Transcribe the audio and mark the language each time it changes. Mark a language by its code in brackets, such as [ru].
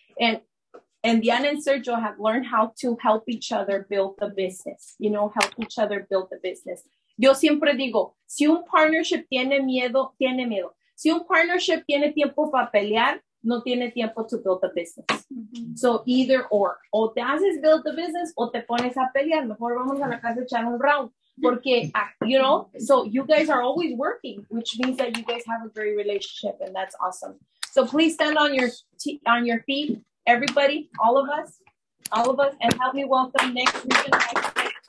[en] And Diana and Sergio have learned how to help each other build the business, you know, help each other build the business. [es] Yo siempre digo, si un partnership tiene miedo. Si un partnership tiene tiempo para pelear, no tiene tiempo [en] to build the business. [es] Mm-hmm. [en] So either or. [es] O te haces [en] build the business [es] o te pones a pelear. Mejor vamos a la casa echar un round. Porque, [en] you know, so you guys are always working, which means that you guys have a great relationship, and that's awesome. So please stand on your feet, everybody, all of us, and help me welcome next week. Okay.